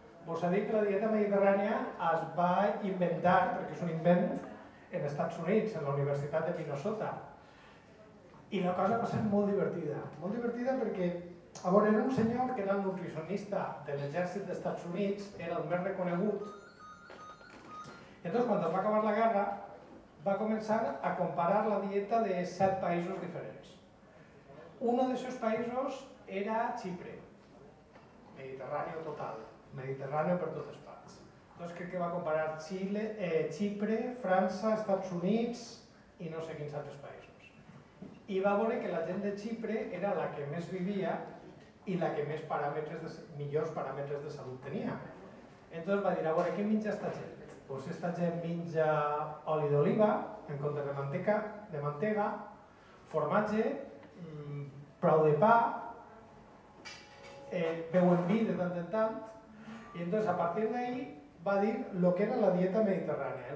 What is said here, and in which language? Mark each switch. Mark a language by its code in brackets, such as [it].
[ca] Vos he dit que la dieta mediterrània es va inventar, perquè és un invent, en Estats Units, en la Universitat de Minnesota. I la cosa va ser molt divertida. Molt divertida perquè, a veure, era un senyor que era el nutricionista de l'exèrcit dels Estats Units, era el més reconegut. [es] Entonces, cuando va a acabar la guerra, va a comenzar a comparar la dieta de 7 países diferentes. Uno de esos países era Chipre, Mediterráneo total, Mediterráneo por todas partes. Entonces, creo que va a comparar Chile, Chipre, Francia, Estados Unidos y no sé quiénes otros países. Y va a ver que la gente de Chipre era la que más vivía y la que más parámetros de, mejores parámetros de salud tenía. Entonces, va a decir, a ver, ¿qué [ca] menja [es] esta gente? [ca] Doncs aquesta gent menja oli d'oliva en comptes de manteca, de mantega, formatge, prou de pa, beuen vi de tant en tant, i entonces, a partir d'ahí va dir el que era la dieta mediterrània.